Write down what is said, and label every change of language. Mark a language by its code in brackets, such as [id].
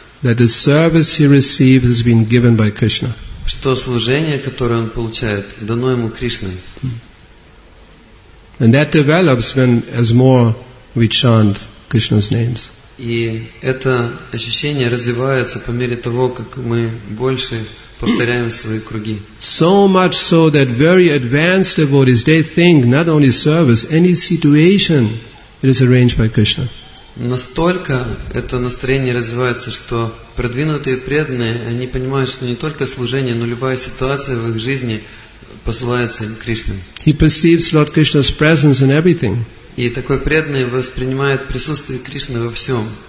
[en] That the service he receives has been given by Krishna. [ru] Что служение, которое он получает, дано ему Кришной. [en] And that develops when, as more, we chant Krishna's names. [ru] И это ощущение развивается по мере того, как мы больше повторяем свои круги. [en] So much so that very advanced devotees, they think not only service, any situation, it is arranged by Krishna. [ru] Настолько это настроение развивается, что продвинутые преданные, они понимают, что не только служение, но любая ситуация в их жизни посылается им Кришной. [en] He perceives Lord Krishna's presence in everything. [ru] И такой преданный воспринимает присутствие Кришны во всем.